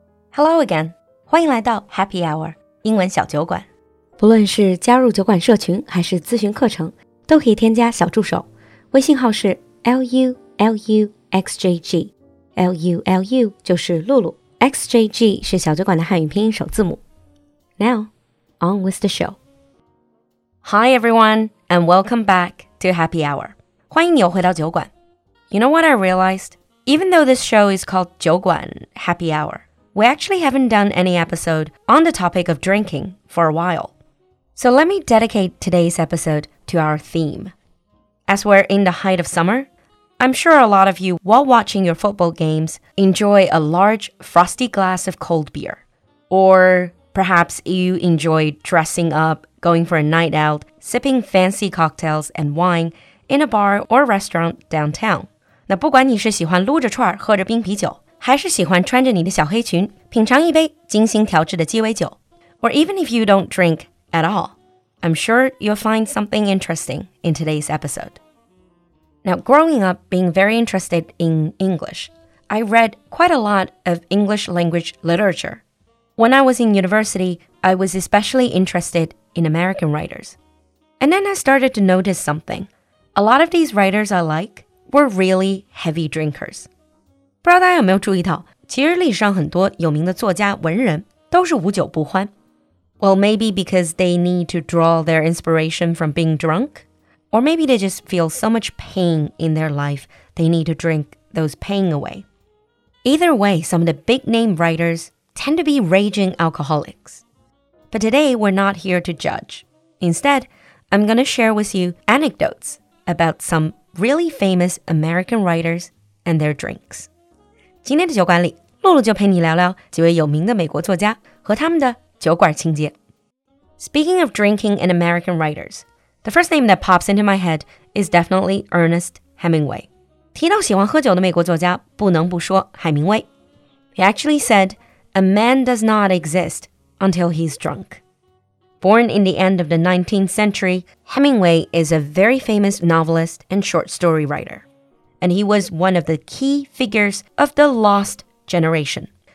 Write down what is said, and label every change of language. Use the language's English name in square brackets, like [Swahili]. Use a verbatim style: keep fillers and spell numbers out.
[English] Hello again， [Chinese] 欢迎来到 Happy Hour 英文小酒馆。不论是加入酒馆社群还是咨询课程，都可以添加小助手，微信号是 L U L U X J G。 L U L U 就是露露， X J G 是小酒馆的汉语拼音首字母。 [English] Now, on with the show. Hi everyone, and welcome back to Happy Hour. [Chinese] 欢迎你又回到酒馆。 [English] You know what I realized? Even though this show is called 酒馆 Happy Hour,We actually haven't done any episode on the topic of drinking for a while. So let me dedicate today's episode to our theme. As we're in the height of summer, I'm sure a lot of you, while watching your football games, enjoy a large frosty glass of cold beer. Or perhaps you enjoy dressing up, going for a night out, sipping fancy cocktails and wine in a bar or restaurant downtown. [Chinese] 那不管你是喜欢撸着串喝着冰啤酒还是喜欢穿着你的小黑裙品尝一杯精心调制的鸡尾酒 [English] Or even if you don't drink at all, I'm sure you'll find something interesting in today's episode. Now, growing up being very interested in English, I read quite a lot of English language literature. When I was in university, I was especially interested in American writers. And then I started to notice something. A lot of these writers I like were really heavy drinkers. [Chinese] 不知道大家有没有注意到，其实历史上很多有名的作家、文人都是无酒不欢。 [English] Well, maybe because they need to draw their inspiration from being drunk, or maybe they just feel so much pain in their life, they need to drink those pain away. Either way, some of the big-name writers tend to be raging alcoholics. But today, we're not here to judge. Instead, I'm going to share with you anecdotes about some really famous American writers and their drinks. [Chinese] 今天的酒馆里，露露就陪你聊聊几位有名的美国作家和他们的酒馆情节。 [English] Speaking of drinking and American writers, the first name that pops into my head is definitely Ernest Hemingway. [Chinese] 提到喜欢喝酒的美国作家，不能不说海明威。 [English] He actually said, "A man does not exist until he's drunk." Born in the end of the nineteenth century, Hemingway is a very famous novelist and short story writer. And he was one of the key figures of the Lost Generation.